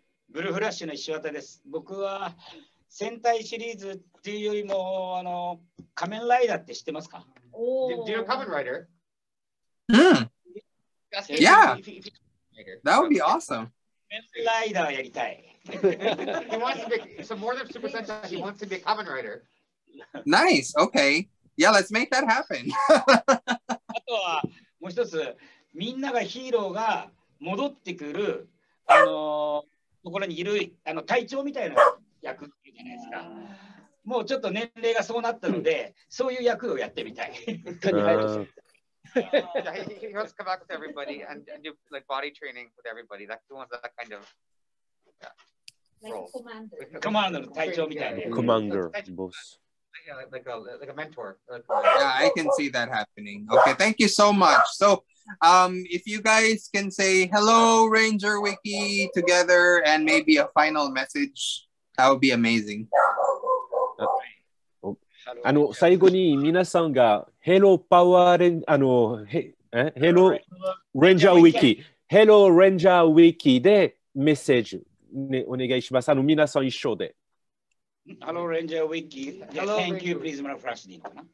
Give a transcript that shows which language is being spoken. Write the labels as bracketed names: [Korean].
[Japanese] ブルーフラッシュの石渡です。僕は戦隊シリーズっていうよりもあの仮面ライダーって知ってますか？ [English] Do you know Kamen Rider? Yeah, that would be awesome. [Japanese] 仮面ライダーやりたい。 [English] He wants to be so more than Super Sentai. He wants to be Kamen Rider. Nice. Okay. Yeah, let's make that happen. [Japanese] あとはもう一つみんながヒーローが戻ってくるところにいるあの隊長みたいな役っていうじゃないですか。もうちょっと年齢がそうなったので、そういう役をやってみたい。 [English] He wants to come back with everybody and do like body training with everybody. That he wants that kind of like [Japanese] commander, 隊長みたいな。 [English] Commander, boss. Like a mentor. Yeah, I can see that happening. Okay, thank you so much. So. If you guys can say hello, Ranger Wiki, together and maybe a final message, that would be amazing. [Japanese] あの最後に皆さんがヘロパワーレンあのヘロレンジャーウィキヘロレンジャーウィキでメッセージ、ね、お願いします。あの皆さん一緒で。 [English] ハローレンジャーウィキ、Thank you, please, my friend.